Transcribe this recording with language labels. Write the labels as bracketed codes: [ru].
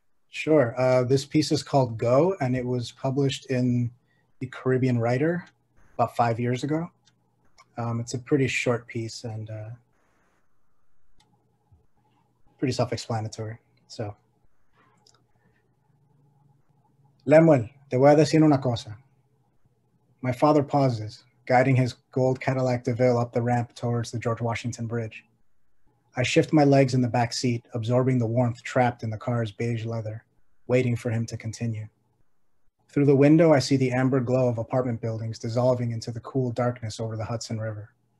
[en] Sure. This piece is called Go, and it was published in the Caribbean Writer about 5 years ago. It's a pretty short piece and pretty self-explanatory. [es] So, Lemuel, te voy a decir una cosa. [en] My father pauses, guiding his gold Cadillac DeVille up the ramp towards the George Washington Bridge. I shift my legs in the back seat, absorbing the warmth trapped in the car's beige leather, waiting for him to continue. Through the window, I see the amber glow of apartment buildings dissolving into the cool darkness over the Hudson River.